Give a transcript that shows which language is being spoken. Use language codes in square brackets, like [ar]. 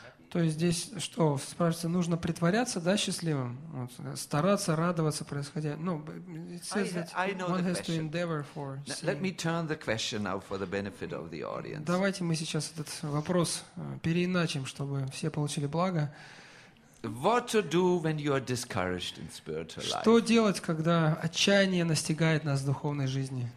[ru] То есть здесь что, спрашивается, нужно притворяться, да, счастливым? Вот, стараться радоваться происходящему. [en] No, [ru] давайте мы сейчас этот вопрос переиначим, чтобы все получили благо. [en] What to do when you are discouraged in spiritual life? [ru] Что делать, когда отчаяние настигает нас в духовной жизни?